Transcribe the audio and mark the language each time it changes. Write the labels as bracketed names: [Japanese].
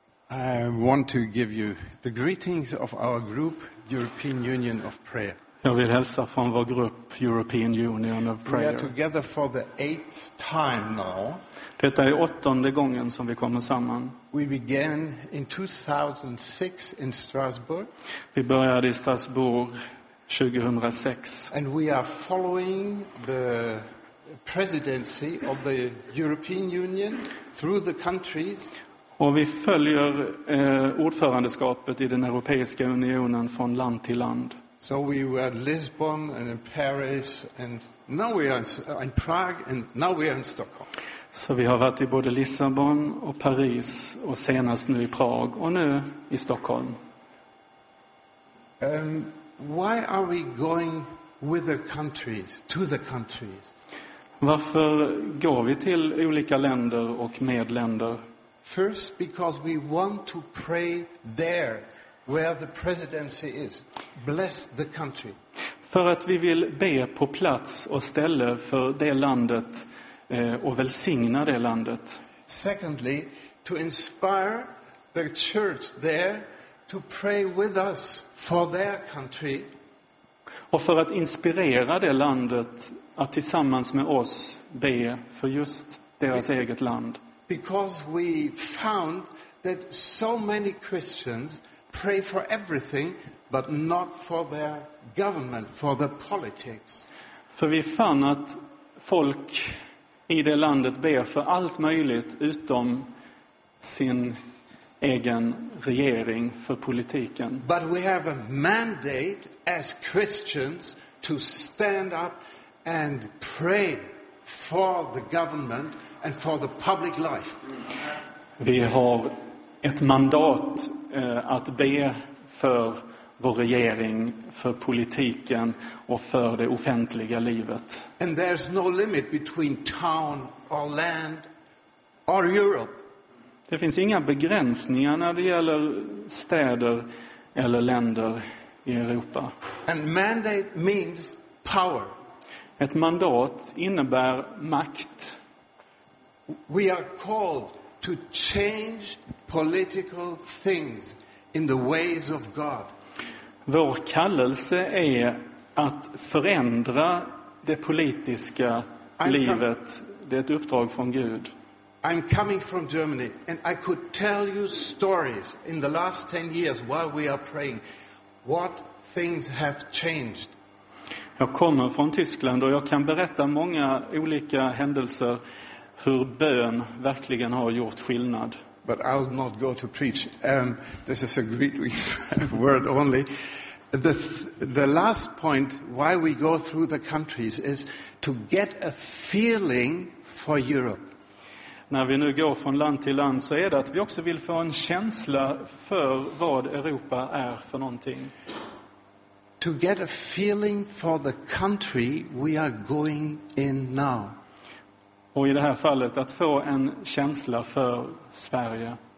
[English] I want to give you the greetings of our group, European Union of Prayer. [Swedish] Jag vill hälsa från vår grupp European Union of Prayer. [English] We are together for the eighth time now. [Swedish] Detta är åttonde gången som vi kommer samman. [English] We began in 2006 in Strasbourg. [Swedish] Vi började i Strasbourg 2006. [English] And we are following the presidency of the European Union through the countries. [Swedish] Och vi följer ordförandeskapet i den europeiska unionen från land till land. [English] So we were at Lisbon and in Paris and now we are in Prague and now we are in Stockholm. [Swedish] Så vi har varit i både Lissabon och Paris och senast nu i Prag och nu i Stockholm. [English] Why are we going with the countries to the countries? [Swedish] Varför går vi till olika länder och med länder? [English] First, because we want to pray there where the presidency is. Bless the country. [Swedish] För att vi vill be på plats och ställe för det landet och välsigna det landet. [English] Secondly, to inspire the church there to pray with us for their country. [Swedish] Och för att inspirera det landet att tillsammans med oss be för just deras eget land. [English] Because we found that so many Christians pray for everything but not for their government, for the politics. [Swedish] För vi fann att folk i det landet ber för allt möjligt utom sin egen regering för politiken. [English] But we have a mandate as Christians to stand up and pray for the government and for the public life. [Swedish] Vi har ett mandat att be för vår regering, för politiken och för det offentliga livet. [English] And there's no limit between town or land or Europe. [Swedish] Det finns inga begränsningar när det gäller städer eller länder i Europa. [English] And mandate means power. [Swedish] Ett mandat innebär makt. [English] We are called to change political things in the ways of God. [Swedish] Vår kallelse är att förändra det politiska livet. Det är ett uppdrag från Gud. [English] I'm coming from Germany and I could tell you stories in the last 10 years while we are praying what things have changed. [Swedish] Jag kommer från Tyskland och jag kan berätta många olika händelser hur bön verkligen har gjort skillnad. [English] But I'll not go to preach. This is a great word only. The last point why we go through the countries is to get a feeling for Europe. [Swedish] När vi nu går från land till land så är det att vi också vill få en känsla för vad Europa är för någonting. [English] To get a feeling for the country we are going in now. [Swedish] Och i det här fallet att få en känsla för Sverige.